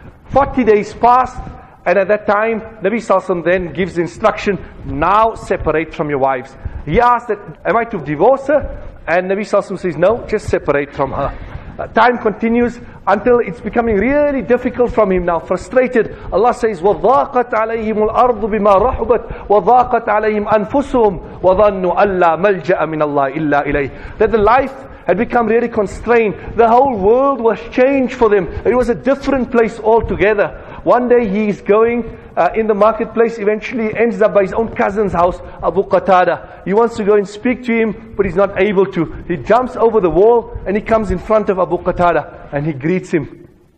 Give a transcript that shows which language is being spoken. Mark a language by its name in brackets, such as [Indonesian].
[English] 40 days passed, and at that time, Nabi Sallallahu Alaihi Wasallam then gives instruction, now separate from your wives. He asks, am I to divorce her? And Nabi Sallallahu Alaihi Wasallam says, no, just separate from her. time continues until it's becoming really difficult from him now, frustrated. Allah says, [Arabic] وَضَاقَتْ عَلَيْهِمُ الْأَرْضُ بِمَا رَحُبَتْ وَضَاقَتْ عَلَيْهِمْ أَنفُسُهُمْ وَظَنُّوا أَلَّا مَلْجَأَ مِنَ اللَّهِ إِلَّا إِلَيْهِ. [English] That the life had become really constrained. The whole world was changed for them. It was a different place altogether. One day he is going in the marketplace, eventually ends up by his own cousin's house, Abu Qatada. He wants to go and speak to him, but he's not able to. He jumps over the wall and he comes in front of Abu Qatada and he greets him.